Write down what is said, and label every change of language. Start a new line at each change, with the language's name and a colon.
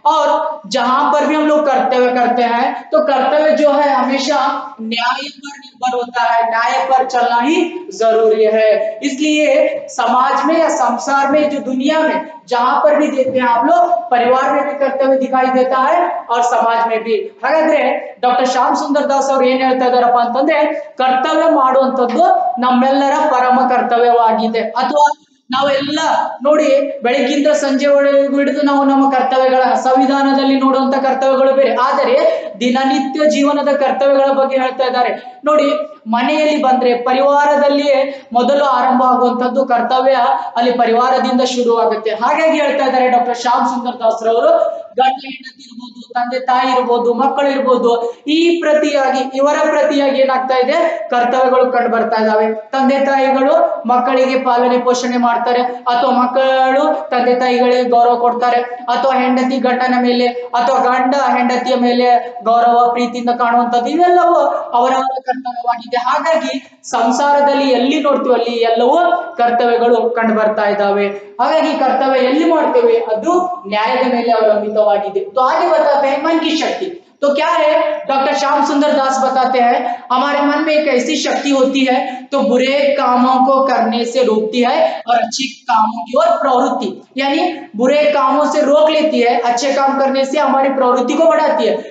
Hindi: और जहां पर भी हम लोग कर्तव्य करते हैं तो कर्तव्य जो है हमेशा न्याय पर निर्भर होता है, न्याय पर चलना ही जरूरी है। इसलिए समाज में या संसार में जो दुनिया में जहां पर भी देखते हैं आप लोग, परिवार में भी कर्तव्य दिखाई देता है और समाज में भी।
Kannada: ಹಾಗಾದ್ರೆ ಡಾಕ್ಟರ್ ಶ್ಯಾಮ್ ಸುಂದರ ದಾಸ್ ಅವರು ಏನ್ ಹೇಳ್ತಾ ಇದಾರಪ್ಪ ಅಂತಂದ್ರೆ, ಕರ್ತವ್ಯ ಮಾಡುವಂತದ್ದು ನಮ್ಮೆಲ್ಲರ ಪರಮ ಕರ್ತವ್ಯವಾಗಿದೆ। ಅಥವಾ ನಾವೆಲ್ಲ ನೋಡಿ, ಬೆಳಗ್ಗಿಂದ ಸಂಜೆವರೆಗೂ ಹಿಡಿದು ನಾವು ನಮ್ಮ ಕರ್ತವ್ಯಗಳ ಸಂವಿಧಾನದಲ್ಲಿ ನೋಡುವಂತ ಕರ್ತವ್ಯಗಳು ಬೇರೆ, ಆದರೆ ದಿನನಿತ್ಯ ಜೀವನದ ಕರ್ತವ್ಯಗಳ ಬಗ್ಗೆ ಹೇಳ್ತಾ ಇದ್ದಾರೆ। ನೋಡಿ, ಮನೆಯಲ್ಲಿ ಬಂದ್ರೆ ಪರಿವಾರದಲ್ಲಿಯೇ ಮೊದಲು ಆರಂಭ ಆಗುವಂತದ್ದು ಕರ್ತವ್ಯ, ಅಲ್ಲಿ ಪರಿವಾರದಿಂದ ಶುರುವಾಗುತ್ತೆ। ಹಾಗಾಗಿ ಹೇಳ್ತಾ ಇದ್ದಾರೆ ಡಾಕ್ಟರ್ ಶ್ಯಾಮ್ ಸುಂದರ ದಾಸ್ ಅವರು, ಗಂಡ ಹೆಂಡತಿ ಇರ್ಬೋದು, ತಂದೆ ತಾಯಿ ಇರ್ಬೋದು, ಮಕ್ಕಳು ಇರ್ಬೋದು, ಈ ಪ್ರತಿಯಾಗಿ ಇವರ ಪ್ರತಿಯಾಗಿ ಏನಾಗ್ತಾ ಇದೆ, ಕರ್ತವ್ಯಗಳು ಕಂಡು ಬರ್ತಾ ಇದಾವೆ। ತಂದೆ ತಾಯಿಗಳು ಮಕ್ಕಳಿಗೆ ಪಾಲನೆ ಪೋಷಣೆ ಮಾಡ್ತಾರೆ, ಮಾಡ್ತಾರೆ, ಅಥವಾ ಮಕ್ಕಳು ತಂದೆ ತಾಯಿಗಳಿಗೆ ಗೌರವ ಕೊಡ್ತಾರೆ, ಅಥವಾ ಹೆಂಡತಿ ಗಂಡನ ಮೇಲೆ ಅಥವಾ ಗಂಡ ಹೆಂಡತಿಯ ಮೇಲೆ ಗೌರವ ಪ್ರೀತಿಯಿಂದ ಕಾಣುವಂತದ್ದು ಇವೆಲ್ಲವೂ ಅವರವರ ಕರ್ತವ್ಯವಾಗಿದೆ. ಹಾಗಾಗಿ ಸಂಸಾರದಲ್ಲಿ ಎಲ್ಲಿ ನೋಡ್ತೀವಿ ಅಲ್ಲಿ ಎಲ್ಲವೂ ಕರ್ತವ್ಯಗಳು ಕಂಡು ಬರ್ತಾ ಇದ್ದಾವೆ. ಹಾಗಾಗಿ ಕರ್ತವ್ಯ ಎಲ್ಲಿ ಮಾಡ್ತೇವೆ ಅದು ನ್ಯಾಯದ ಮೇಲೆ ಅವಲಂಬಿತವಾಗಿದೆ. ಹಾಗೆ ಬರ್ತದೆ ಮನ್ ಕಿ ಶಕ್ತಿ.
Hindi: तो क्या है डॉक्टर श्याम सुंदर दास बताते हैं, हमारे मन में एक ऐसी शक्ति होती है तो बुरे कामों को करने से रोकती है और अच्छे कामों की ओर प्रवृत्ति, यानी बुरे कामों से रोक लेती है, अच्छे काम करने से हमारी प्रवृत्ति को बढ़ाती है.